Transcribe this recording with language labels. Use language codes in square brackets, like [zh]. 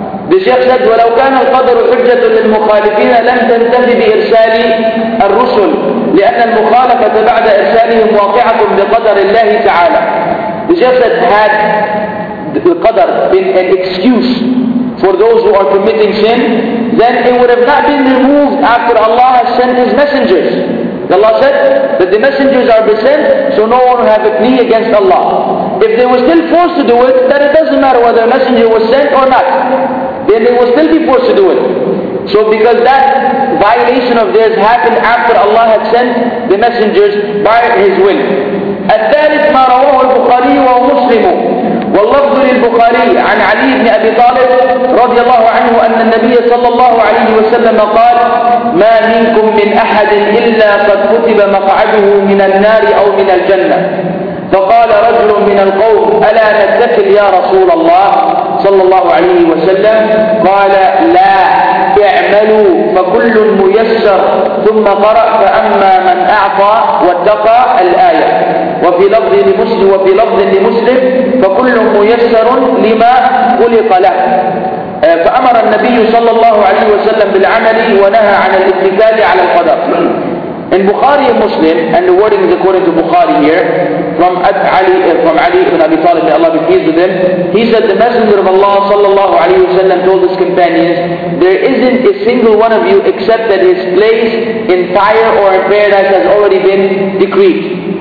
[en] The Shaykh said, [ar] وَلَوْ كَانَ الْقَدْرُ حُجَّةً لِلْمُخَالِفِينَ لَمْ تَنْتَهِ بِإِرْسَالِ الرُّسُلِ لِأَنَّ الْمُخَالَفَةَ بَعْدَ إِرْسَالِهِمْ وَاقِعَةٌ بِقَدَرِ اللَّهِ تَعَالَى. [en] The Shaykh said, had the qadr been an excuse for those who are committing sin, then it would have not been removed after Allah has sent His messengers. Allah said that the messengers are been sent, so no one will have a plea against Allah. If they were still forced to do it, then it doesn't matter whether a messenger was sent or not. Then they will still be forced to do it. So because that violation of theirs happened after Allah had sent the messengers by His will. [ar] الثالث ما رواه البخاري ومسلم واللفظ للبخاري عن علي بن أبي طالب رضي الله عنه أن النبي صلى الله عليه وسلم قال ما منكم من أحد إلا قد كتب مقعده من النار أو من الجنة. فقال رجل من القوم ألا نتكل يا رسول الله صلى الله عليه وسلم؟ قال لا اعملوا فكل ميسر. ثم قرأ فأما من أعطى واتقى الآية. وفي لفظ لمسلم فكل ميسر لما خلق له. فأمر النبي صلى الله عليه وسلم بالعمل ونهى عن الاتكال على القدر. [en] In Bukhari and Muslim, and the wording is according to Bukhari here, from Ali ibn Abi Talib, may Allah be pleased with him, he said the Messenger of Allah sallallahu alayhi wa sallam told his companions, there isn't a single one of you except that his place in fire or in paradise has already been decreed.